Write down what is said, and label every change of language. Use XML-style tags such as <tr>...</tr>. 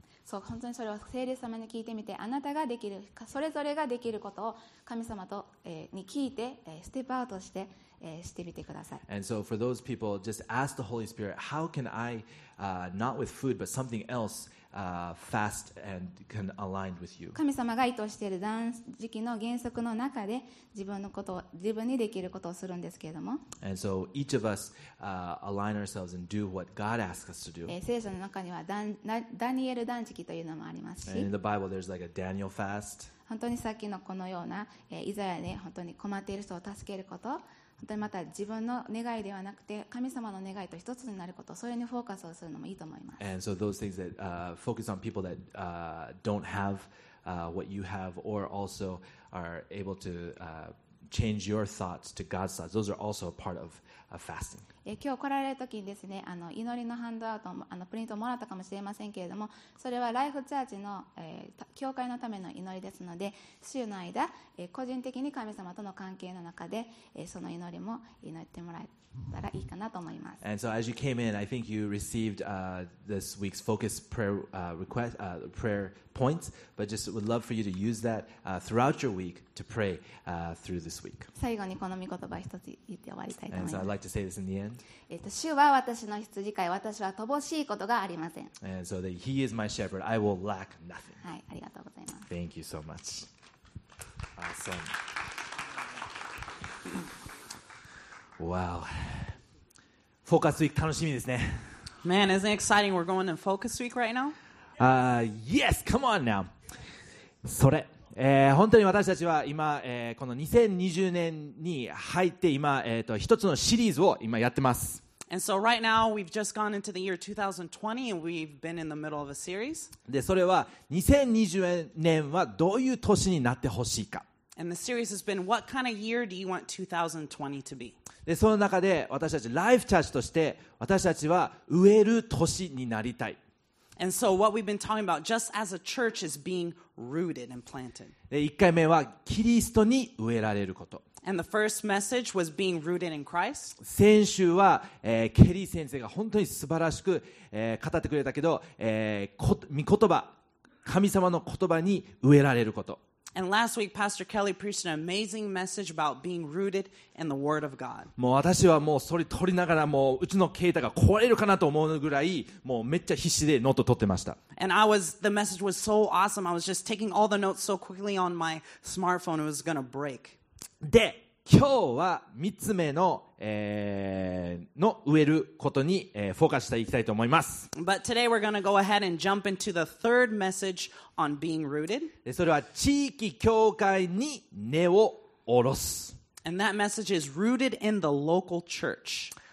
<ja>そう本当にそれを聖霊様に聞いてみて、あなたができるか、それぞれができることを神様と、に聞いて、ステップアウトして、してみてください。</ja> <en>And so for those people, just ask the Holy Spirit, how can I, not with food, but something else, fast and can align with you?</en> <ja>神様が意図している断食の原則の中で自分のことを、自分にできることをするんですけれども。</ja> <en>And so each of us, align ourselves and do what God asks us to do.</en> <ja>聖書の中にはダニエル断食というのもありますし。</ja> <en>And in the Bible, there's like a Daniel fast.</en> <ja>本当にさっきのこのような、イザヤで本当に困っている人を助けること。本当にまた自分の願いではなくて神様の願いと一つになること、それにフォーカスをするのもいいと思います。</ja> <en>And so those things that, focus on people that, don't have, what you have, or also are able to, change your thoughts to God's thoughts, those are also a part of, fasting.</en> <ja>今日来られるときにですね、あの祈りのハンドアウト、あのプリントをもらったかもしれませんけれども、それはライフチャージの、教会のための祈りですので、週の間、個人的に神様との関係の中で、その祈りも祈ってもらえたらいいかなと思います。</ja> <en>And so as you came in, I think you received, this week's focus prayer, request, prayer points, but just would love for you to use that, throughout your week to pray, through this week.</en> <ja>最後にこの御言葉一つ言って終わりたいと思います。</ja> <en>And so I'd like to say this in the end.</en> <ja>主は私の羊飼い、私は乏しいことがありません。</ja> <en>And so that he is my shepherd, I will lack nothing.</en> <ja>はい、ありがとうございます。</ja> <en>Thank you so much. Awesome.</en> <ja>Wow. Focus Week 楽しみですね。</ja> <en>Man, isn't it exciting? We're going to Focus Week right now? Yes, come on now. それ。</en> <ja>本当に私たちは今、この2020年に入って今、一つのシリーズを今やってます。</ja> <en>And so right now we've just gone into the year 2020 and we've been in the middle of a series.</en> <ja>で、それは2020年はどういう年になってほしいか。</ja> <en>And the series has been what kind of year do you want 2020 to be?</en> <ja>で、その中で私たちライフチャージとして私たちは植える年になりたい。</ja> <en>And so what we've been talking about, just as a church, is being rooted and planted.</en> <ja>で、1回目はキリストに植えられること。</ja> <en>And the first message was being rooted in Christ.</en> <ja>先週は、ケリー先生が本当に素晴らしく、語ってくれたけど、御言葉、神様の言葉に植えられること。</ja> <en>And last week, Pastor Kelly preached an amazing message about being rooted in the Word of God.</en> <ja>もう私はもうそれ取りながらもううちの携帯が壊れるかなと思うぐらいもうめっちゃ必死でノート取ってました。</ja> <en>And the message was so awesome. I was just taking all the notes so quickly on my smartphone. It was going to break.</en> <ja>で、今日は三つ目の、の植えることに、フォーカスしていきたいと思います。</ja> <en>But today we're going to go ahead and jump into the third message on being rooted.</en> <ja>で、それは地域教会に根を下ろす。</ja> <en>And that message is rooted in the local church.</en>